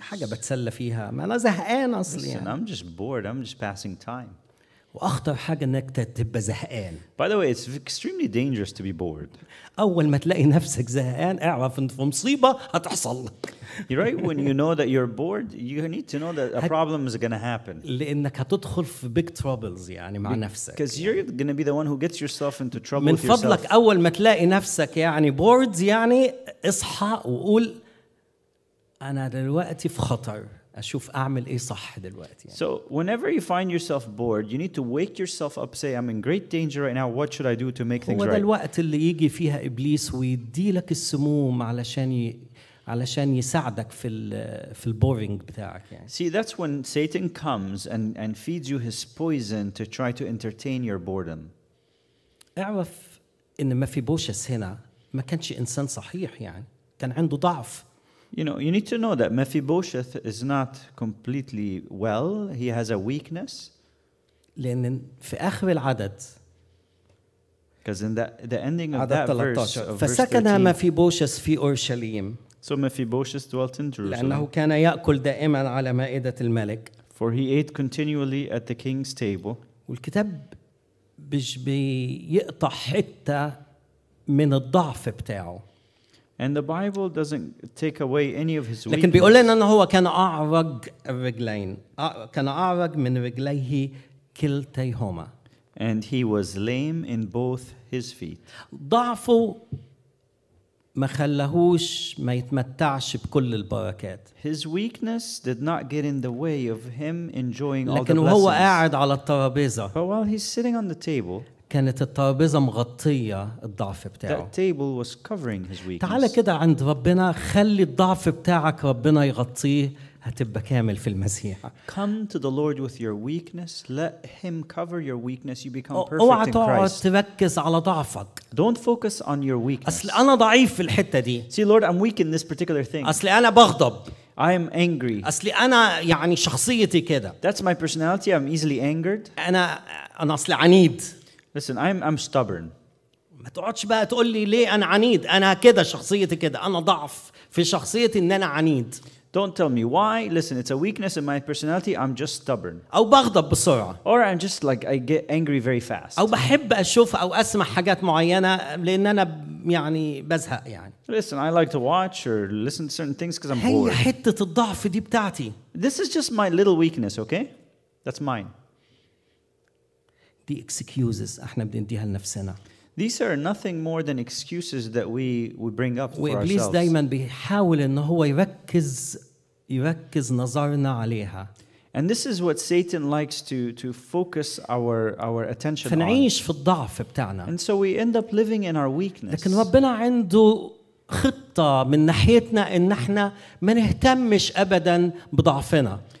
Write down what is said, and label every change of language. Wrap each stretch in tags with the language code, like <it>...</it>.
<ar>حاجة بتسلى فيها. ما أنا زهقان أصلاً.</ar> <en>Listen, I'm just bored. I'm just passing time.</en> <ar>وأخطر حاجة إنك تبقى زهقان.</ar> <en>By the way, it's extremely dangerous to be bored.</en> <ar>أول ما تلاقي نفسك زهقان، اعرف إن في مصيبة هتحصل.</ar> <en>You're right. When you know that you're bored, you need to know that a problem is going to happen.</en> <ar>لأنك هتدخل في</ar> <en>big troubles</en> <ar>يعني مع نفسك.</ar> <en>Because you're going to be the one who gets yourself into trouble. من فضلك أول ما تلاقي نفسك يعني bored يعني اصحى وقول أنا دلوقتي في خطر. أشوف أعمل إيه صح دلوقتي. So whenever you find yourself bored, you need to wake yourself up. Say, I'm in great danger right now. What should I do to make things right?</en> <ar>هو ده الوقت اللي يجي فيها إبليس ويدي لك السموم علشان يساعدك في البورينج بتاعك. يعني.</ar> <en>See, that's when Satan comes and feeds you his poison to try to entertain your boredom.</en> <ar>أعرف إن ما في بوشس هنا ما كانش إنسان صحيح يعني كان عنده ضعف.</ar> <en>You know, you need to know that Mephibosheth is not completely well. He has a weakness.</en> <ar>لأن في آخر العدد.</ar> <en>Because in the ending of that 13. verse, of verse 13.</en> <ar>فسكن مفيبوشث في أورشليم.</ar> <en>So Mephibosheth dwelt in Jerusalem.</en> <ar>لأنه كان يأكل دائما على مائدة الملك.</ar> <en>For he ate continually at the king's table.</en> <ar>والكتاب مش بيقطع حتة من الضعف بتاعه.</ar> <en>And the Bible doesn't take away any of his weakness.</en> <ar>لكن بيقول لنا إن هو كان أعرج الرجلين. كان أعرج من رجليه كلتيهما.</ar> <en>And he was lame in both his feet.</en> <ar>ضعفه ما خلهوش ما يتمتعش بكل البركات.</ar> <en>His weakness did not get in the way of him enjoying all the blessings.</en> <ar>لكن وهو قاعد على الترابيزة.</ar> <en>But while he's sitting on the table.</en> <ar>كانت الترابيزة مغطية الضعف بتاعه.</ar> <en>That table was covering his weakness.</en> <ar>تعال كده عند ربنا خلي الضعف بتاعك ربنا يغطيه هتبقى كامل في المسيح.</ar> <en>Come to the Lord with your weakness. Let him cover your weakness. You become perfect in Christ.</en> <ar>اوعى تقعد تركز على ضعفك.</ar> <en>Don't focus on your weakness.</en> <ar>اصل انا ضعيف في الحتة دي.</ar> <en>See Lord, I'm weak in this particular thing.</en> <ar>اصل انا بغضب.</ar> <en>I am angry.</en> <ar>أصلي أنا يعني شخصيتي كده.</ar> <en>That's my personality. I'm easily angered.</en> <ar>أنا أصلي عنيد.</ar> <en>Listen, I'm stubborn.</en> <ar>ما تقعدش بقى تقول لي ليه أنا عنيد؟ أنا كده شخصيتي كده، أنا ضعف في شخصيتي إن أنا عنيد.</ar> <en>Don't tell me why. Listen, it's a weakness in my personality. I'm just stubborn.</en> <ar>أو بغضب بسرعة.</ar> <en>Or I'm just like, I get angry very fast.</en> <ar>أو بحب أشوف أو أسمع حاجات معينة لأن أنا يعني بزهق يعني.</ar> <en>Listen, I like to watch or listen to certain things because I'm bored.</en> <ar>هي حتة الضعف دي بتاعتي.</ar> <en>This is just my little weakness, okay? That's mine.</en> <ar>دي excuses احنا بنديها لنفسنا.</ar> <en>These are nothing more than excuses that we bring up for ourselves.</en> <ar>وإبليس دايما بيحاول إن هو يركز نظرنا عليها.</ar> <en>And this is what Satan likes to focus our attention on.</en> <ar>فنعيش في الضعف بتاعنا.</ar> <en>And so we end up living in our weakness.</en> <ar>لكن ربنا عنده خطة من ناحيتنا إن إحنا ما نهتمش أبدا بضعفنا.</ar>